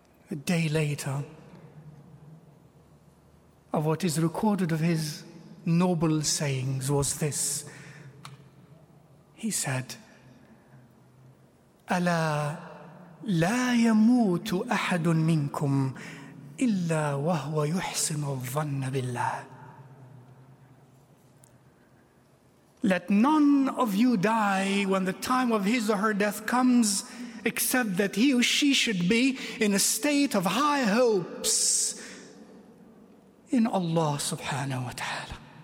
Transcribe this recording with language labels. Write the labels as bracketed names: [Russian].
[English] A day later, of what is recorded of his noble sayings was this. He said, [Arabic] ألا لا يموت أحد منكم إلا وهو يحسن الظن بالله. [English] Let none of you die when the time of his or her death comes, except that he or she should be in a state of high hopes in Allah subhanahu wa ta'ala.